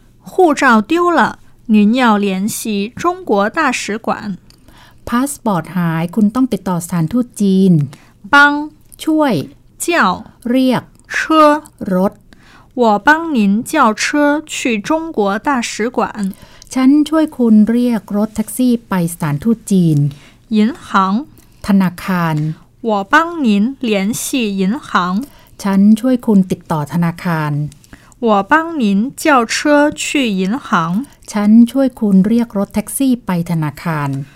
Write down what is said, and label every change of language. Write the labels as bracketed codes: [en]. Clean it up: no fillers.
[zh] 护照丢了您要联系中国大使馆 [th] พาสปอร์ตหายคุณต้องติดต่อสถานทูตจีน [zh] 帮 [th] ช่วย [zh] 叫 [th] เรียก [zh] 车 [th] รถ [zh] 我帮您叫车去中国大使馆 [th] ฉันช่วยคุณเรียกรถแท็กซี่ไปสถานทูตจีน [zh] 银行 [th] ธนาคาร [zh] 我帮您联系银行 [th] ฉันช่วยคุณติดต่อธนาคาร [zh] 我帮您叫车去银行 [th] ฉันช่วยคุณเรียกรถแท็กซี่ไปธนาคาร